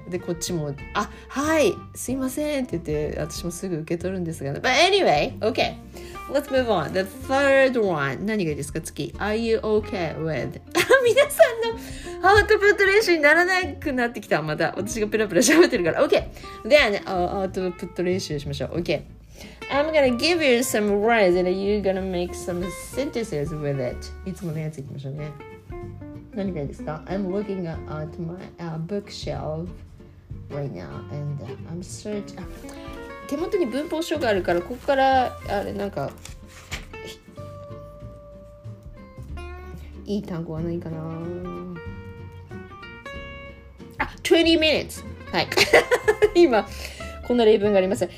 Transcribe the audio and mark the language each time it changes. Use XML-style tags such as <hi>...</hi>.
<ja>でこっちも、あ、はい、すいませんって言って私もすぐ受け取るんですが、ね、</ja> <en>But anyway, OK, let's move on. The third one,</en> <ja>何がいいですか、次、</ja> <en>Are you okay with</en> <ja>皆さんのアウトプット練習にならなくなってきた。また私がペラペラ喋ってるから。</ja> <en>OK! Then,</en> <ja>アウトプット練習しましょう。OK!</ja> <en>I'm gonna give you some words and you're gonna make some sentences with it.</en> <ja>いつものやついきましょうね。何がいいですか?</ja> <en>I'm looking at my bookshelf right now and I'm searching...</en> <ja>手元に文法書があるから、ここからあれなんか、いい単語はないかな。</ja> <en>20 minutes. はい。</en> <ja>今こんな例文があります。</ja>